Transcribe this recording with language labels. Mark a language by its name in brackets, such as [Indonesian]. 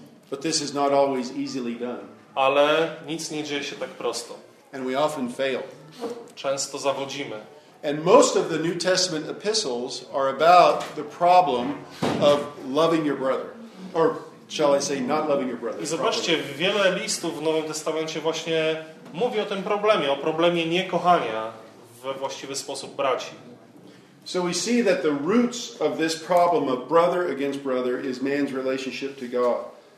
[English] But this is not always easily done. [Polish] Ale nic nie dzieje się tak prosto. [English] And we often fail. [Polish] Często zawodzimy. [English] And most of the New Testament epistles are about the problem of loving your brother, or shall I say, not loving your brother. [Polish] I zobaczcie, wiele listów w Nowym Testamencie właśnie mówi o tym problemie, o problemie niekochania we właściwy sposób braci. [English] So we see that the roots of this problem of brother against brother is man's relationship to God.